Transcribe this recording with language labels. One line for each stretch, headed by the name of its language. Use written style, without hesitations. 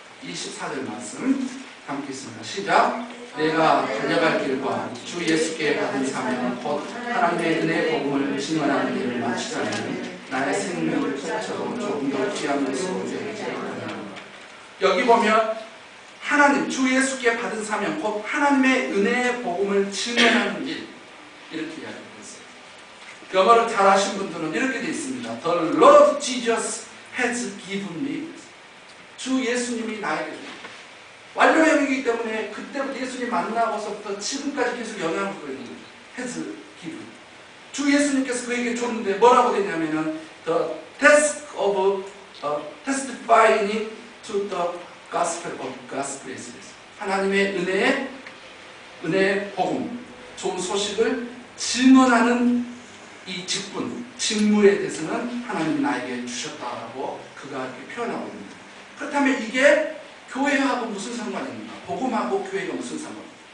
Korean: 24절 말씀 함께 있습니다. 시작! 내가 다녀갈 길과 주 예수께 받은 사명은 곧 하나님의 은혜의 복음을 증언하는 일을 마치자니 나의 생명을 통해서 조금 더 귀한 것으로 되어지지 않느냐. 여기 보면 하나님, 주 예수께 받은 사명, 곧 하나님의 은혜의 복음을 증언하는 일, 이렇게 이야기하고 있어요. 영어를 잘 아신 분들은 이렇게 되어 있습니다.
English: The Lord Jesus has given me.
Korean: 주 예수님이 나에게 완료형이기 때문에 그때부터 예수님 만나고서부터 지금까지 계속 영향을 주고 있는 거죠.
English: 해즈 기분.
Korean: 주 예수님께서 그에게 줬는데 뭐라고 되냐면은
English: the task of testifying to the gospel of gospel.
Korean: 하나님의 은혜의 복음, 좋은 소식을 증언하는 이 직분, 직무에 대해서는 하나님이 나에게 주셨다라고 그가 이렇게 표현하고 있는 거예요. 그렇다면 이게 교회하고 무슨 상관입니까? 복음하고 교회가 무슨 상관입니까?